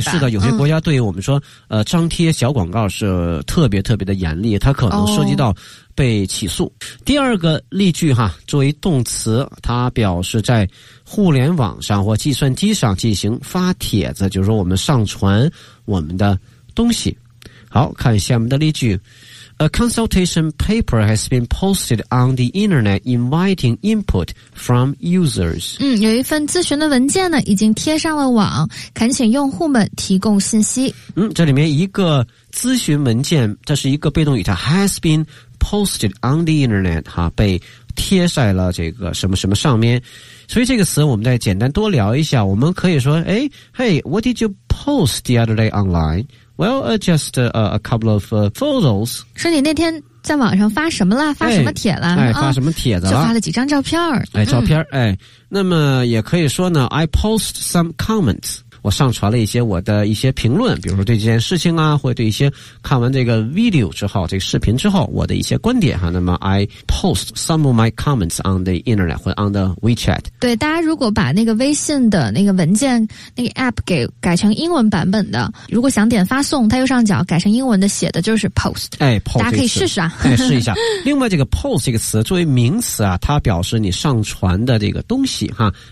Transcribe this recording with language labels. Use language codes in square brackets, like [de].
[zh] 是的，有些国家对于我们说、张贴小广告是特别特别的严厉，它可能涉及到被起诉。第二个例句哈，作为动词，它表示在互联网上或计算机上进行发帖子，就是说我们上传我们的东西。好，看下面的例句。 [en] A consultation paper has been posted on the internet inviting input from users. [zh] 有一份咨询的文件呢已经贴上了网，恳请用户们提供信息。这里面一个咨询文件，这是一个被动语，它 [en] has been posted on the internet， [zh] 哈，被贴在了这个什么什么上面。所以这个词我们再简单多聊一下，我们可以说 [en] hey, what did you post the other day online? Well, just a couple of photos. [zh] 说你那天在网上发什么了？发什么帖了？发什么帖子了？就发了几张照片。照片。那么也可以说呢 ， [en] I post some comments. [zh] 我上传了一些我的一些评论，比如说对这件事情啊，或者对一些看完这个 video 之后，这个视频之后，我的一些观点哈。 [en] 那么 I post some of my comments on the internet 或 on the WeChat. [zh] 对，大家如果把那个微信的那个文件那个 app 给改成英文版本的，如果想点发送，它右上角改成英文的写的就是 post。 [en] post， [zh] 大家可以试试啊。试一下。另外，这个 post 这个词作为名词啊，它表示你上传的这个东西哈。